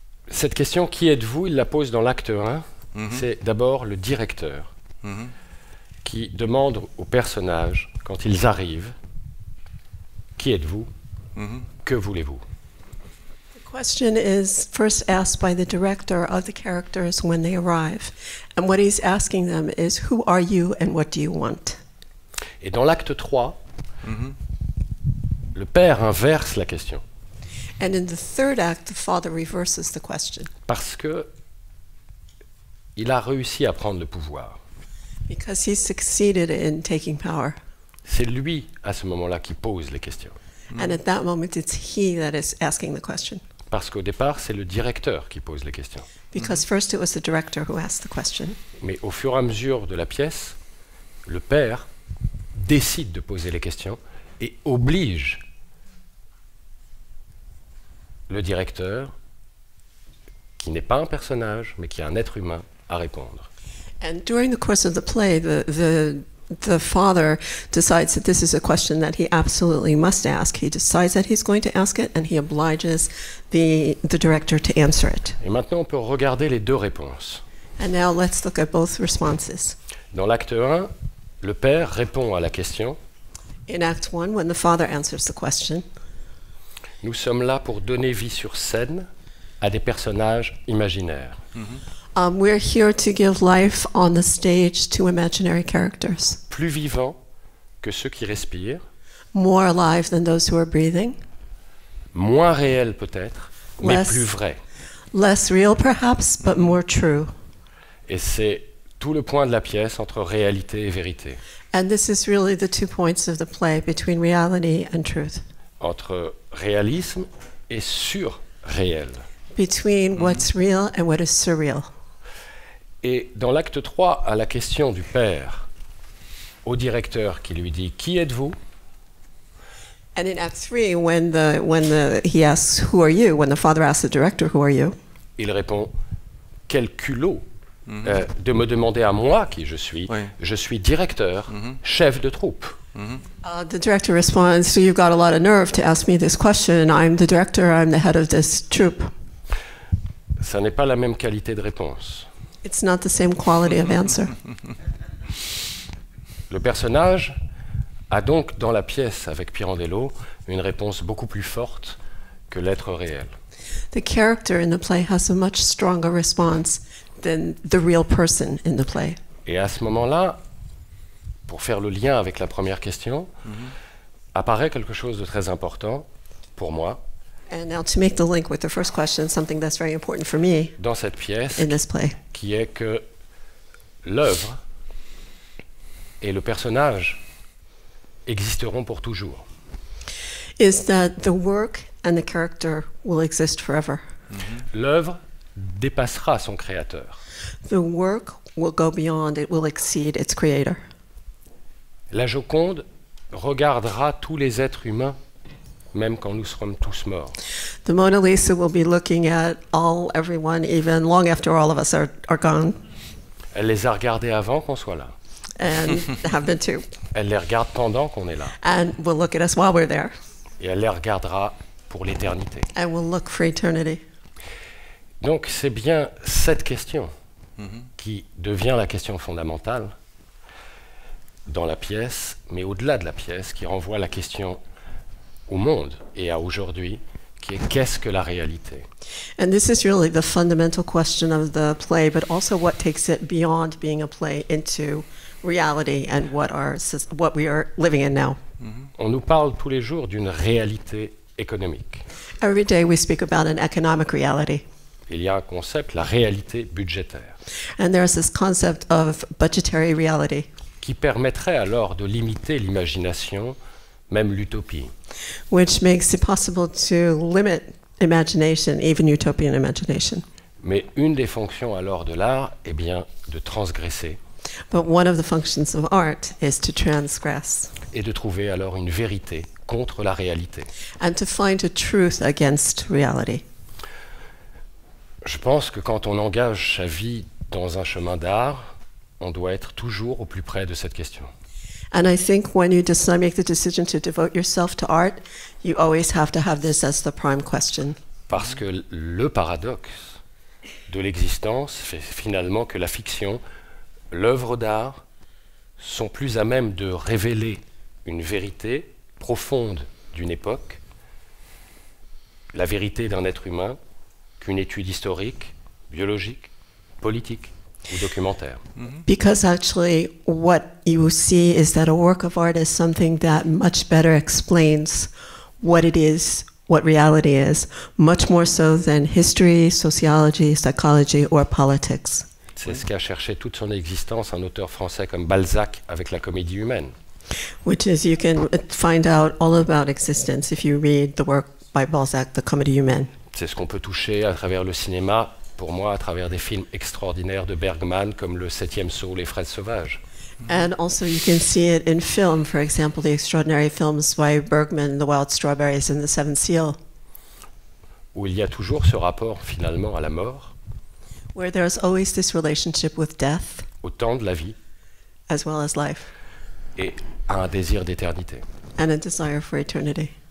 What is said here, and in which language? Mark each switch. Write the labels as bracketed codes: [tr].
[fr] Cette question, qui êtes-vous, il la pose dans l'acte 1. Mm-hmm. C'est d'abord le directeur qui demande aux personnages, quand ils arrivent, qui êtes-vous, que voulez-vous. [en] The question is first asked by the director of the characters when they arrive. And what he's asking them is, who are you and what do you want? [fr] Et dans l'acte 3, le père inverse la question. [en] And in the third act, the father reverses the question. [fr] Parce que il a réussi à prendre le pouvoir. [en] Because he succeeded in taking power. [fr] C'est lui à ce moment-là qui pose les questions. [en] And at that moment, it's he that is asking the question. [fr] Parce qu'au départ, c'est le directeur qui pose les questions. [en] Because first it was the director who asked the question. [fr] Mais au fur et à mesure de la pièce, le père décide de poser les questions et oblige le directeur, qui n'est pas un personnage, mais qui est un être humain, à répondre. [en] And during the course of the play, the father decides that this is a question that he absolutely must ask. He decides that he's going to ask it, and he obliges the director to answer it. [fr] Et maintenant, on peut regarder les deux réponses. [en] And now let's look at both responses. [fr] Dans l'acte 1, le père répond à la question. [en] In act 1, when the father answers the question. [fr] Nous sommes là pour donner vie sur scène à des personnages imaginaires. [en] We're here to give life on the stage to imaginary characters. [fr] Plus vivants que ceux qui respirent. [en] More alive than those who are breathing. [fr] Moins réels peut-être, mais plus vrais. [en] Less real perhaps, but more true. [fr] Et c'est tout le point de la pièce entre réalité et vérité. [en] And this is really the two points of the play between reality and truth. [fr] Entre réalisme et surréel. [en] Between what's real and what is surreal. [fr] Et dans l'acte 3, à la question du père au directeur qui lui dit qui êtes-vous? [en] And in act 3, when he asks who are you, when the father asks the director who are you? [fr] Il répond quel culot de me demander à moi qui je suis. Je suis directeur, chef de troupe. [en] The director responds, so you've got a lot of nerve to ask me this question. I'm the director, I'm the head of this troop. [fr] Ça n'est pas la même qualité de réponse. [en] It's not the same quality of answer. [fr] Le personnage a donc dans la pièce avec Pirandello une réponse beaucoup plus forte que l'être réel. [en] The character in the play has a much stronger response than the real person in the play. [fr] Et à ce moment-là, pour faire le lien avec la première question, apparaît quelque chose de très important pour moi. [en] And now to make the link with the first question, something that's very important for me. [fr] Dans cette pièce, [en] in this play. [fr] Qui est que l'œuvre et le personnage existeront pour toujours. [en] Is that the work and the character will exist forever. [fr] L'œuvre dépassera son créateur. [en] The work will go beyond, it will exceed its creator. [fr] La Joconde regardera tous les êtres humains, même quand nous serons tous morts. [en] The Mona Lisa will be looking at all, everyone, even long after all of us are gone. [fr] Elle les a regardés avant qu'on soit là. [en] And have been too. [fr] Elle les regarde pendant qu'on est là. [en] And will look at us while we're there. [fr] Et elle les regardera pour l'éternité. [en] And will look for eternity. [fr] Donc c'est bien cette question qui devient la question fondamentale dans la pièce, mais au-delà de la pièce, qui renvoie la question au monde et à aujourd'hui, qui est qu'est-ce que la réalité? [en] And this is really the fundamental question of the play, but also what takes it beyond being a play into reality and what we are living in now. [fr] On nous parle tous les jours d'une réalité économique. [en] Every day we speak about an economic reality. [fr] Il y a un concept, la réalité budgétaire. [en] And there is this concept of budgetary reality. [fr] Qui permettrait alors de limiter l'imagination, même l'utopie. [en] Which makes it possible to limit imagination, even utopian imagination. [fr] Mais une des fonctions alors de l'art est bien de transgresser. [en] But one of the functions of art is to transgress. [fr] Et de trouver alors une vérité contre la réalité. [en] And to find a truth against reality. [fr] Je pense que quand on engage sa vie dans un chemin d'art, on doit être toujours au plus près de cette question. [en] And I think when you decide make the decision to devote yourself to art, you always have to have this as the prime question. [fr] Parce que le paradoxe de l'existence fait finalement que la fiction, l'œuvre d'art, sont plus à même de révéler une vérité profonde d'une époque, la vérité d'un être humain, qu'une étude historique, biologique, politique. Documentaire. [en] Because actually what you see is that a work of art is something that much better explains what it is, what reality is, much more so than history, sociology, psychology or politics. [fr] C'est ce qu'a cherché toute son existence un auteur français comme Balzac avec la Comédie humaine. [en] Which is you can find out all about existence if you read the work by Balzac, the Comédie humaine. [fr] C'est ce qu'on peut toucher à travers le cinéma. Pour moi, à travers des films extraordinaires de Bergman, comme Le Septième Sceau, Les Fraises Sauvages. [en] And also, you can see it in film, for example, the extraordinary films by Bergman, The Wild Strawberries and The Seventh Seal. [fr] Où il y a toujours ce rapport, finalement, à la mort. [en] Where there is always this relationship with death. [fr] Au temps de la vie. [en] As well as life. [fr] Et à un désir d'éternité. [en] And a desire for eternity.